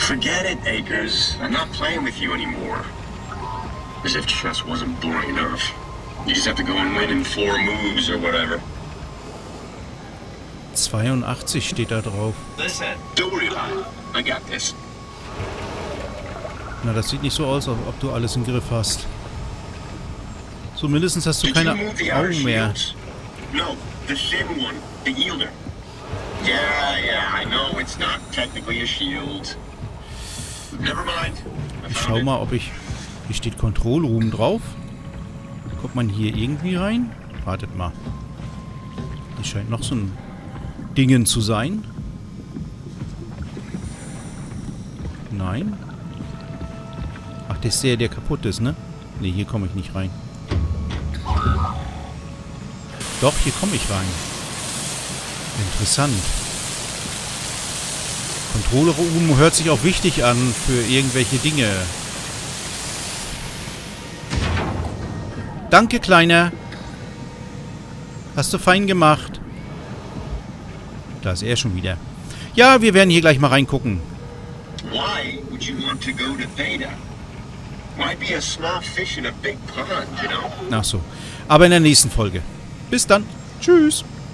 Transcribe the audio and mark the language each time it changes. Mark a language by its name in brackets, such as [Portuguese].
[English] Forget it, Akers. I'm not playing with you anymore. As if chess wasn't boring enough. You just have to go and win in four moves or whatever. [German] 82 steht da drauf. [English] Listen, don't worry about it. I got this. [German] Na, das sieht nicht so aus, als ob du alles im Griff hast. Zumindest hast du keine Augen mehr. [English] No, the thin one, the yielder. Yeah, I know it's not technically a shield. Never mind. [German] Ich schau mal, ob ich. Hier steht Control Room drauf. Kommt man hier irgendwie rein? Wartet mal. Das scheint noch so ein Dingen zu sein. Nein. Ach, das ist der, der kaputt ist, ne? Ne, hier komme ich nicht rein. Doch, hier komme ich rein. Interessant. Control Room hört sich auch wichtig an für irgendwelche Dinge. Danke, Kleiner. Hast du fein gemacht. Da ist er schon wieder. Ja, wir werden hier gleich mal reingucken. [English] Why would you want to go to Beta? Why be a small fish in a big pond, you know? [German] Ach so. Aber in der nächsten Folge. Bis dann. Tschüss.